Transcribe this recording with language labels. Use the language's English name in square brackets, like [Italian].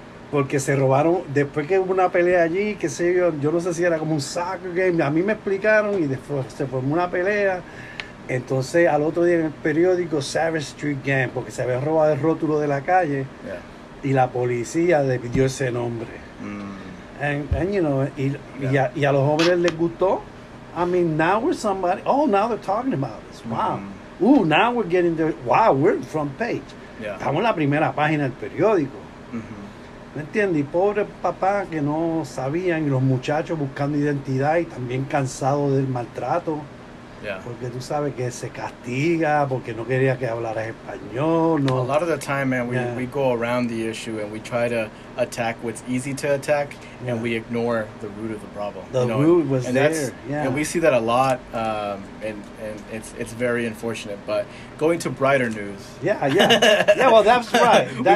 [Spanish] Porque se robaron, después que hubo una pelea allí, qué sé yo, yo no sé si era como un soccer game, a mí me explicaron y después se formó una pelea. Entonces, al otro día en el periódico, Savage Street Gang, porque se había robado el rótulo de la calle, y la policía le pidió ese nombre. [English] And you know, [Spanish] y a los jóvenes les gustó. [English] I mean, now we're somebody, oh, now they're talking about this, wow. Now we're getting the, wow, we're in front page. Yeah. [Spanish] Estamos en la primera página del periódico. ¿Me entiendes? Y pobre papá que no sabían, y los muchachos buscando identidad y también cansados del maltrato. [English] Yeah. [Spanish] Porque tú sabes que se castiga, porque no quería que hablaras español. No. [English] A lot of the time, man, we go around the issue and we try to attack what's easy to attack, and we ignore the root of the problem. The root was there. And we see that a lot, and it's very unfortunate. But going to brighter news. Yeah. Well, that's right.